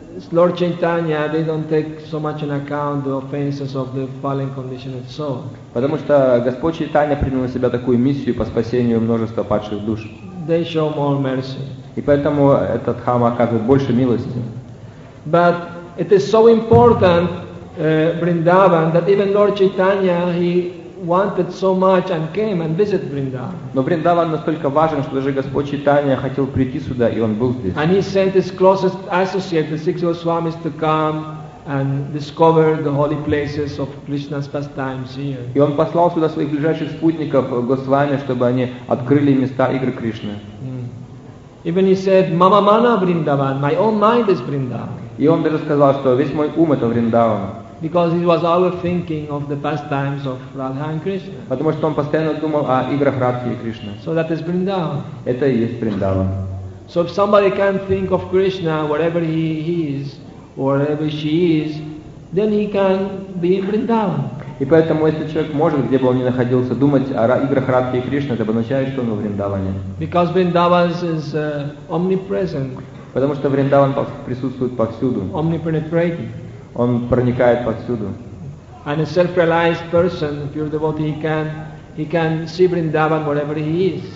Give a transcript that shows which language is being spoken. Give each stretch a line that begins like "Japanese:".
English: Lord Chaitanya, they don't take so much in account the offenses of the fallen conditioned soul.
Russian: Потому что Господь Чайтанья принял на себя такую миссию по спасению множества падших душ.
English: They show more mercy.
Russian: И поэтому этот дхамма оказывает больше милости.
English: But it is so important, Vrindavan, that even Lord Chaitanya, he wanted so much and came and visited Vrindavan.
Russian: Но Вриндаван настолько важен, что даже Господь Чайтанья хотел прийти сюда, и он был здесь.
English: And he sent his closest associate, the six Goswamis, to come and discover the holy places of Krishna's pastimes here.
Russian: И он послал сюда своих ближайших спутников Госвами, чтобы они открыли места игры Кришны.
English: Even he said,
Sanskrit: "Mama mana Vrindavan,
English: my own mind is Vrindavan."
Russian: И он даже сказал, что весь мой ум это Вриндаван.
English: Because he was always thinking of the pastimes of Radha and Krishna.
Russian: Потому что он постоянно думал о играх Радхи и Кришны.
English: So that is Vrindavan.
Russian: Это и есть Вриндаван.
English: So if somebody can think of Krishna wherever he is, wherever she is, then he can be in Vrindavan.
Russian: И поэтому если человек может, где бы он ни находился, думать о играх Радхи и Кришны, это означает, что он в Вриндаване.
English: Because Vrindavan is omnipresent.
Russian: Потому что Вриндаван присутствует повсюду.
English: Omnipenetrating.
Russian: Он проникает повсюду.
English: And a self-realized person, pure devotee, he can see Vrindavan wherever he is.